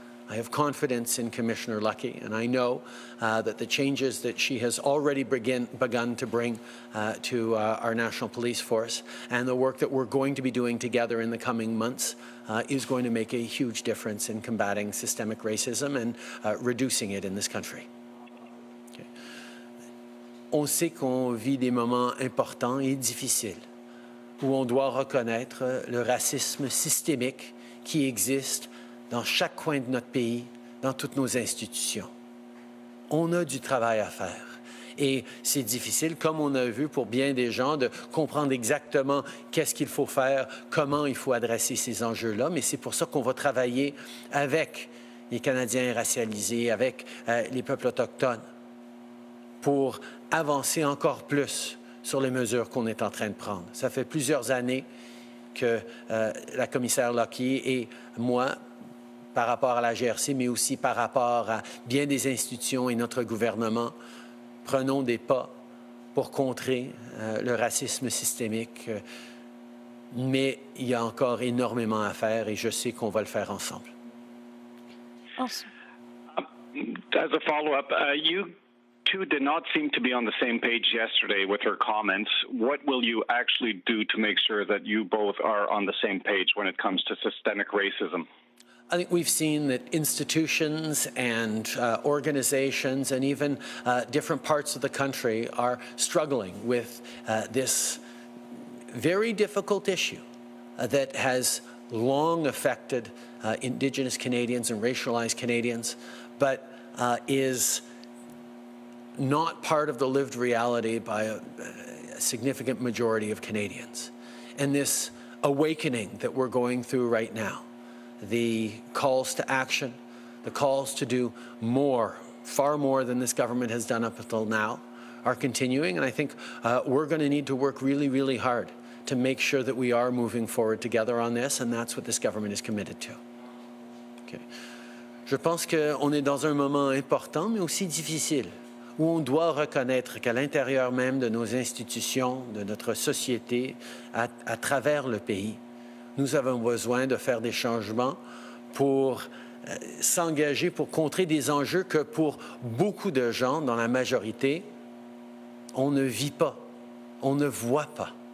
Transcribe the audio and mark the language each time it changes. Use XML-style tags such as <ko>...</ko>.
<en>I have confidence in Commissioner Luckey, and I know that the changes that she has already begun to bring to our National Police Force and the work that we're going to be doing together in the coming months is going to make a huge difference in combating systemic racism and reducing it in this country. Okay.</en> <fr>On sait qu'on vit des moments importants et difficiles où on doit reconnaître le racisme systémique qui existe dans chaque coin de notre pays, dans toutes nos institutions. On a du travail à faire. Et c'est difficile, comme on a vu pour bien des gens, de comprendre exactement qu'est-ce qu'il faut faire, comment il faut adresser ces enjeux-là. Mais c'est pour ça qu'on va travailler avec les Canadiens racialisés, avec les peuples autochtones, pour avancer encore plus sur les mesures qu'on est en train de prendre. Ça fait plusieurs années que la commissaire Luckey et moi, par rapport à la GRC, mais aussi par rapport à bien des institutions et notre gouvernement, prenons des pas pour contrer le racisme systémique. Mais il y a encore énormément à faire et je sais qu'on va le faire ensemble.</fr> <en>Awesome. As a follow-up, you two did not seem to be on the same page yesterday with her comments. What will you actually do to make sure that you both are on the same page when it comes to systemic racism? I think we've seen that institutions and organizations and even different parts of the country are struggling with this very difficult issue that has long affected Indigenous Canadians and racialized Canadians, but is not part of the lived reality by a significant majority of Canadians. And this awakening that we're going through right now, the calls to action, the calls to do more, far more than this government has done up until now, are continuing. And I think we're going to need to work really, really hard to make sure that we are moving forward together on this, and that's what this government is committed to. Okay.</en> <fr>Je pense qu'on est dans un moment important, mais aussi difficile, où on doit reconnaître qu'à l'intérieur même de nos institutions, de notre société, à travers le pays, nous avons besoin de faire des changements pour s'engager, pour contrer des enjeux que pour beaucoup de gens, dans la majorité, on ne vit pas, on ne voit pas.</fr>